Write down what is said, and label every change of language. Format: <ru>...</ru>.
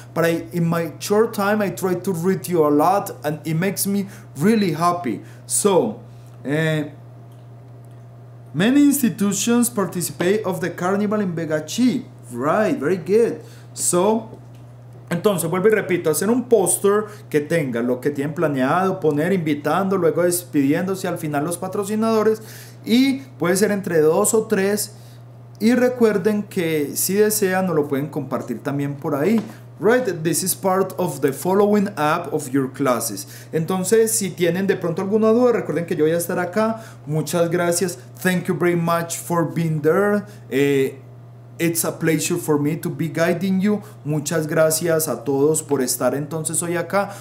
<en>But in my short time, I try to read you a lot. And it makes me really happy. So, many institutions participate of the carnival in Begachi. Right, very good.</en> <es>So, entonces vuelvo y repito, hacer un póster que tenga lo que tienen planeado, poner invitando, luego despidiéndose al final los patrocinadores y puede ser entre dos o tres. Y recuerden que si desean nos lo pueden compartir también por ahí.</es> <en>Right, this is part of the following app of your classes.</en> <es>Entonces, si tienen de pronto alguna duda, recuerden que yo voy a estar acá. Muchas gracias.</es> <en>Thank you very much for being there. It's a pleasure for me to be guiding you.</en> <es>Muchas gracias a todos por estar entonces hoy acá.</es>